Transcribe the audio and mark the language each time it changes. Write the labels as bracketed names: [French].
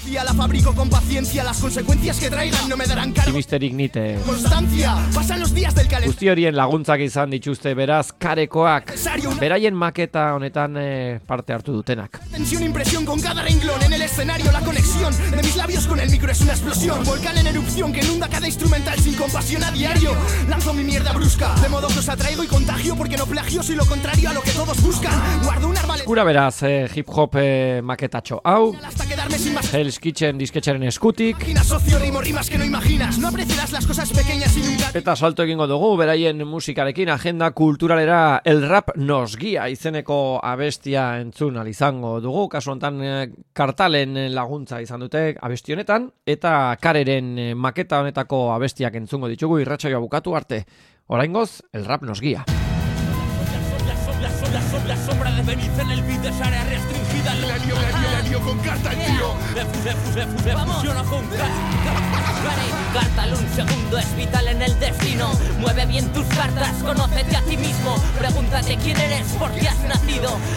[Spanish] La fabrico con paciencia, las consecuencias que traigan no me darán cargo. Y Mister Ignite. Constancia, pasan los días del calendario. [Basque] Guzti horien laguntzak izan dituzte, beraz, karekoak. Beraien maketa honetan parte hartu dutenak. [Spanish] Tensión, impresión con cada renglón en el escenario, la conexión de mis labios con el micro es una explosión. Volcán en erupción que inunda cada instrumental sin compasión a diario. Lanzo mi mierda brusca, de modo que os atraigo y contagio porque no plagio, soy lo contrario a lo que todos buscan. Guardo un arma... [Basque] Gura beraz, hip hop maketatxo hau. Hell's Kitchen disketxaren eskutik. [Spanish] Socio, rimo, rimas que no imaginas. No apreciarás las cosas pequeñas y nunca... [Basque] Eta salto egingo dugu, beraien musikarekin agenda kulturalera el rap nos guía izeneko abestia entzun alizango dugu. Kasu honetan Kartalen laguntza izan dute abesti honetan eta Kareren maketa honetako abestiak entzungo ditugu irratsaioa bukatu arte. Oraingoz, el rap nos guía. [Spanish] La sombra de Benítez en el beat es área restringida. Le dio con carta el tío. Le fusiona con Cartal, un segundo es vital en el destino. Mueve bien tus cartas, conócete a ti mismo. Pregúntate quién eres, por qué has nacido.